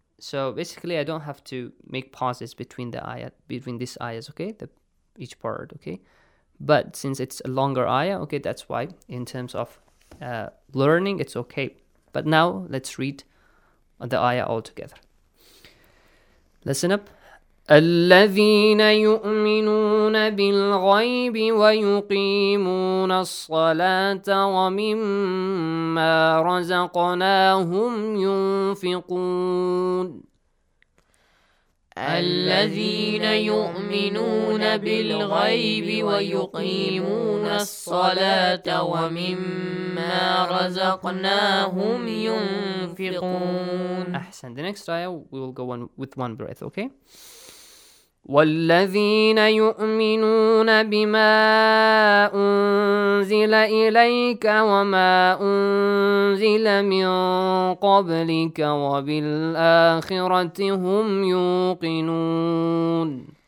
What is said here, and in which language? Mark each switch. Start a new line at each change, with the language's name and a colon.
English: So basically, I don't have to make pauses between the ayah, between these ayahs, okay? Each part, okay? But since it's a longer ayah, okay, that's why in terms of learning, it's okay. But now let's read the ayah all together. Listen up.
Arabic: الذين يؤمنون بالغيب ويقيمون الصلاة ومما رزقناهم ينفقون. الذين يؤمنون بالغيب ويقيمون الصلاة ومما رزقناهم ينفقون. أحسن.
English: The next ayah, we will go on with one breath, okay?
Arabic: والذين يؤمنون بما أنزل إليك وما أنزل من قبلك وبالآخرة هم يوقنون.